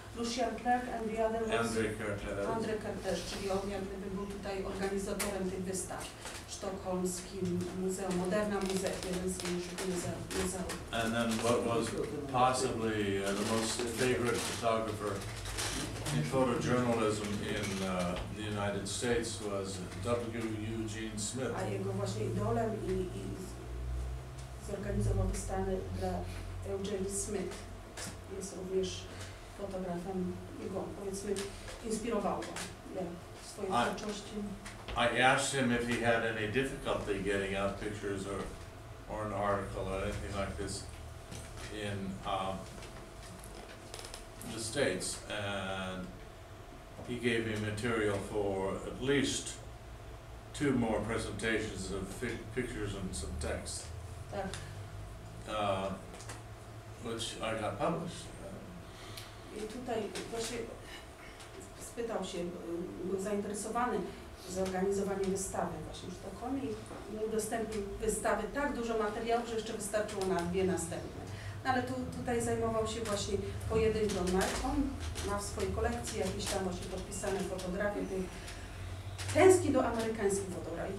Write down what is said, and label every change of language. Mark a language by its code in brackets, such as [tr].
[en] Lucien Clerc and the other was André Carter, [pl] czyli on jak gdyby był tutaj organizatorem tych wystaw w sztokholmskim muzeum, Moderna Muzeum, jeden z większych muzeów. [en] And then what was possibly the most favorite photographer in photojournalism in the United States was W. Eugene Smith. [pl] A jego właśnie idolem i zorganizował wystawę dla Eugene Smith. Jest również fotografem, jego, powiedzmy, inspirował go w swojej twórczości. [en] I asked him if he had any difficulty getting out pictures or an article or anything like this in the States, and he gave me material for at least two more presentations of pictures and some text, which I got published. [pl] I tutaj właśnie spytał się, był zainteresowany zorganizowaniem wystawy właśnie w Sztokholmie i udostępnił wystawy tak dużo materiału, że jeszcze wystarczyło na dwie następne. Ale tu, tutaj zajmował się właśnie pojedynczą marką, ma w swojej kolekcji jakieś tam właśnie podpisane fotografie, tęskni do amerykańskich fotografii.